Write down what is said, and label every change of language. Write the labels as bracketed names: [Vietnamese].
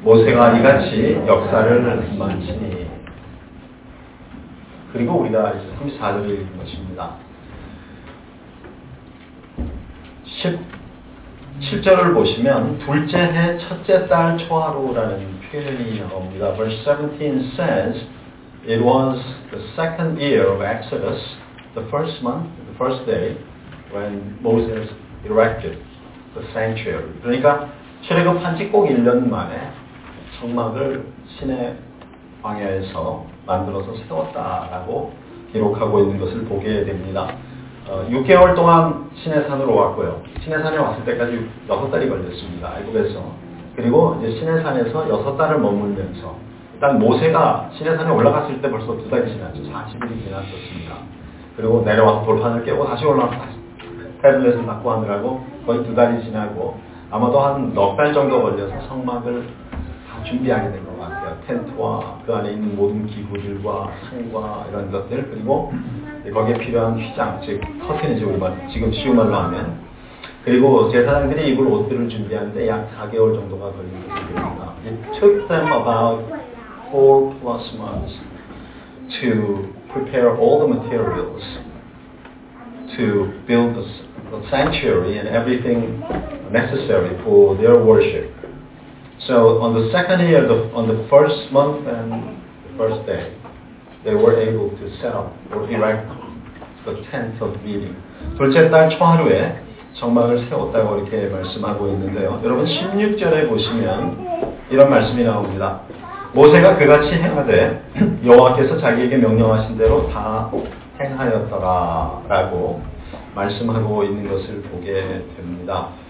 [Korean] 모세가 이같이 역사를 만지니, 그리고 우리가 이제 34절을 읽은 것입니다. 17절을 보시면 둘째 해 첫째 달 초하루라는 표현이 나옵니다. [English] Verse 17 says it was the second year of Exodus, the first month, the first day when Moses erected the sanctuary. [Korean] 그러니까 출애굽한 지 꼭 1년 만에 성막을 시내 광야에서 만들어서 세웠다라고 기록하고 있는 것을 보게 됩니다. 6개월 동안 시내산으로 왔고요. 시내산에 왔을 때까지 6달이 걸렸습니다. 애굽에서. 그리고 이제 시내산에서 6달을 머물면서 일단 모세가 시내산에 올라갔을 때 벌써 2달이 지났죠. 40일이 지났었습니다. 그리고 내려와서 돌판을 깨고 다시 올라가서 태블릿을 받고 하느라고 거의 2달이 지나고 아마도 한 4달 정도 걸려서 성막을 다 준비하게 된 것 같아요. 텐트와 그 안에 있는 모든 기구들과 상과 이런 것들 그리고 거기에 필요한 휘장 즉 커튼이죠 우리말 지금 쉬운 말로 하면 그리고 제사장들이 입을 옷들을 준비하는데 약 4개월 정도가 걸린 것입니다. [English] It took them about 4 plus months to prepare all the materials to build the sanctuary and everything necessary for their worship. So on the second year, on the first month and the first day, they were able to set up or erect the tent of meeting. [Korean] 둘째 달 초하루에 성막을 세웠다고 이렇게 말씀하고 있는데요. 여러분 16절에 보시면 이런 말씀이 나옵니다. 모세가 그같이 행하되 여호와께서 자기에게 명령하신 대로 다 행하였더라 라고 말씀하고 있는 것을 보게 됩니다.